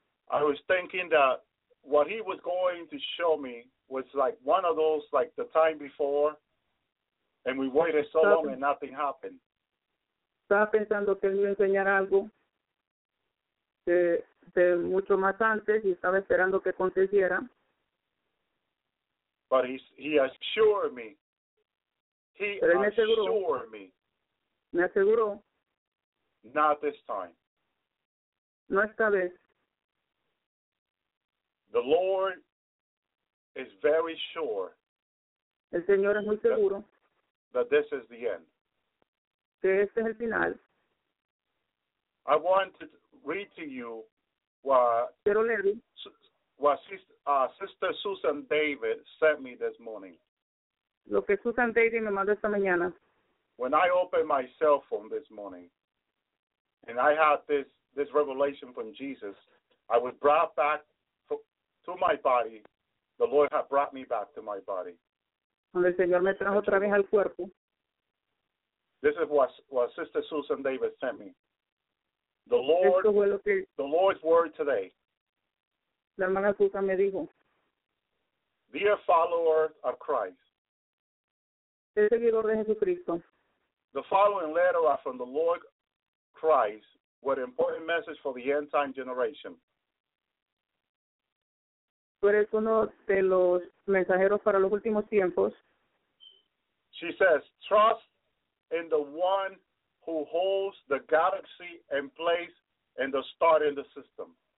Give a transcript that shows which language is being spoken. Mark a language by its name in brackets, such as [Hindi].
[English] I was thinking that what he was going to show me was like one of those, like the time before, and we waited so long and nothing happened. [Spanish] Estaba pensando que él me iba a enseñar algo de mucho más antes y estaba esperando que aconteciera. [English] But he assured me. He assured me. [Spanish] Me aseguró. [English] Not this time. [Spanish] No esta vez. [English] The Lord is very sure. [Spanish] El Señor es muy seguro. [English] That this is the end. [Spanish] Que este es el final. [English] I want to read to you what Sister Susan David sent me this morning. [Spanish] Lo que Susan David me mandó esta mañana. [English] When I opened my cell phone this morning, and I had this revelation from Jesus, I was brought back to my body. The Lord had brought me back to my body. [Spanish] Cuando el Señor me trajo otra vez al cuerpo. [English] This is what Sister Susan David sent me. The Lord's word today. [Spanish] La hermana Susan me dijo. [English] Dear follower of Christ. [Spanish] El seguidor de Jesucristo. [English] The following letter are from the Lord Christ with an important message for the end time generation. [Spanish] Tú eres uno de los mensajeros para los últimos tiempos. [English] She says, trust in the one who holds the galaxy in place and the star in the system.